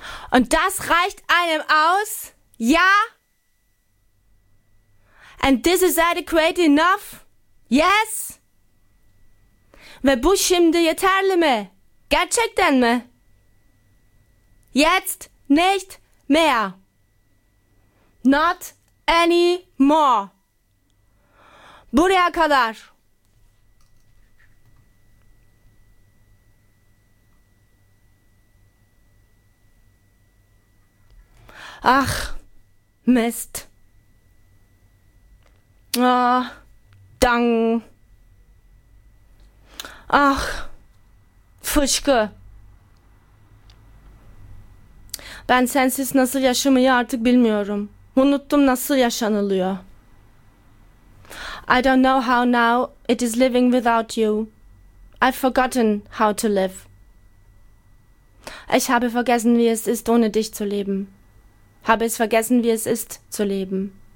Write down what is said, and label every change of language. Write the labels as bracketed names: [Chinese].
[German] Und das reicht einem aus? Ja? [English] And this is adequate enough? Yes? [Turkish] Ve bu şimdi yeterli mi? Gerçekten mi? [German] Jetzt nicht mehr. [English] Not any more. [Turkish] Buraya kadar. [German] Ach, Mist. [English] Ah, oh, dang. [Turkish] Ach, fışkı. Ben sensiz nasıl yaşamayı artık bilmiyorum. Unuttum nasıl yaşanılıyor. [English] I don't know how now it is living without you. I've forgotten how to live. [German] Ich habe vergessen, wie es ist, ohne dich zu leben. Habe es vergessen, wie es ist, zu leben.